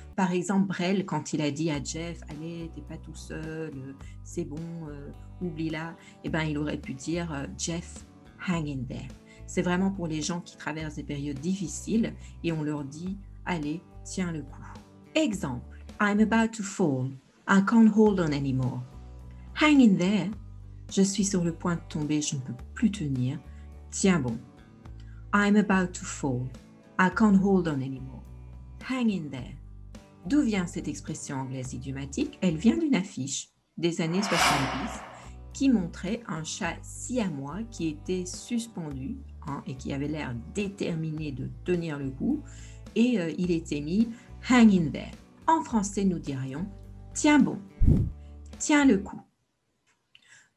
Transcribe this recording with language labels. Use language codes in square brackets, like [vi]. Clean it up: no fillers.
[fr] Par exemple, Brel, quand il a dit à Jeff, « Allez, t'es pas tout seul, c'est bon, oublie-la. » Eh bien, il aurait pu dire « Jeff, [en] hang in there. [fr] » C'est vraiment pour les gens qui traversent des périodes difficiles et on leur dit « Allez, tiens le coup. » Exemple, « [en] I'm about to fall. I can't hold on anymore. » Hang in there. [fr] Je suis sur le point de tomber, je ne peux plus tenir. Tiens bon. [en] « I'm about to fall. I can't hold on anymore. » Hang in there. [fr] D'où vient cette expression anglaise idiomatique? Elle vient d'une affiche des années 70 qui montrait un chat siamois qui était suspendu et qui avait l'air déterminé de tenir le coup. Et il était mis « [en] hang in there [fr] ». En français, nous dirions « tiens bon, tiens le coup ».